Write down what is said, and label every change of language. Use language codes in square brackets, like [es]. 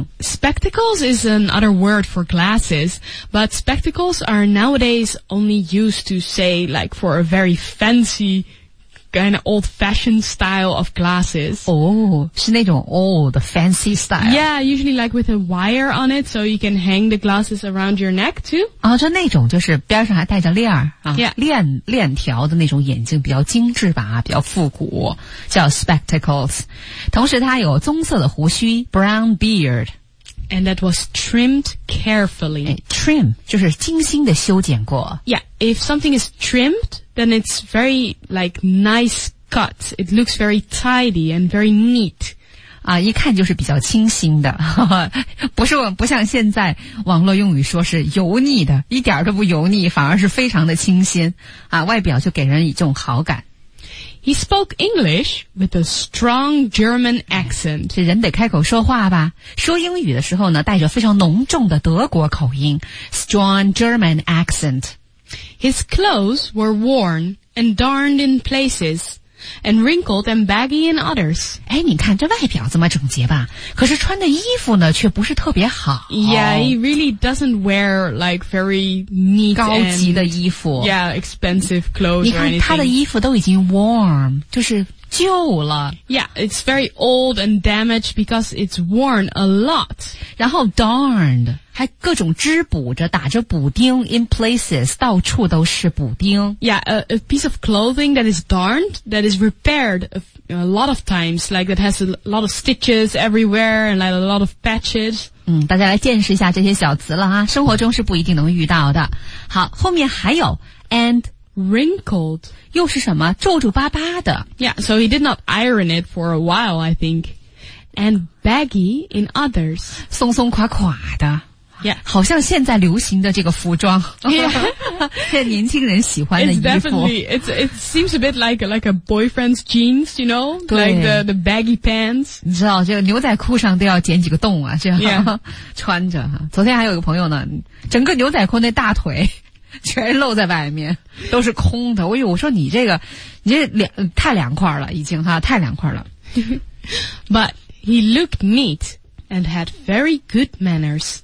[en] yeah. Spectacles is another word for glasses, but spectacles are nowadays only used to say like for a very fancy kind of old-fashioned style of glasses. Oh, [zh] 是那种 [en] old, fancy style. Yeah, usually like with a wire on it, so you can hang the glasses around your neck too. [zh] 啊、哦，就那种就是边上还带着链儿啊、 [en] yeah. [zh] 链条的那种眼镜比较精致吧比较复古叫 spectacles。同时他有棕色的胡须 brown beard。 [en] And that was trimmed carefully. [zh] Trim, 就是精心的修剪过。 [en] Yeah, if something is trimmed, then it's very, like, nice cut. It looks very tidy and very neat. [zh] 啊，一看就是比较清新的。不像现在网络用语说是油腻的，一点都不油腻，反而是非常的清新。啊，外表就给人一种好感。 [en] He spoke English with a strong German accent. [zh] 这人得开口说话吧。说英语的时候呢，带着非常浓重的德国口音。 [en] Strong German accent. His clothes were worn and darned in places, and wrinkled and baggy in others. [zh] 哎，你看这外表这么整洁吧，可是穿的衣服呢，却不是特别好。 [en] Yeah, he really doesn't wear like very neat [zh] 高级的衣服。 [en] Yeah, expensive clothes. [zh] 你看他的衣服都已经 warm, 就是旧了。 [en] Yeah, it's very old and damaged because it's worn a lot. [zh] 然后 darned, 还各种织补着打着补丁 in places, 到处都是补丁。 [en] Yeah, a piece of clothing that is darned, that is repaired a lot of times, like it has a lot of stitches everywhere and like a lot of patches. [zh] 嗯，大家来见识一下这些小词了啊，生活中是不一定能遇到的。好，后面还有 and, [en] Wrinkled. [zh] 又是什么皱皱巴巴的 [en] Yeah, so he did not iron it for a while, I think. And baggy in others. [zh] 松松垮垮的 [en] Yeah. [zh] 好像现在流行的这个服装 [en] Yeah. [zh] 现在年轻人喜欢的衣服 [en] It seems a bit like a boyfriend's jeans, you know? Like the baggy pants. [zh] 你知道这个牛仔裤上都要剪几个洞啊这样、 [en] yeah. [zh] 穿着昨天还有一个朋友呢整个牛仔裤那大腿全露在外面都是空的我以为我说你这个你这太凉快了已经哈太凉快了。 [en] But he looked neat and had very good manners.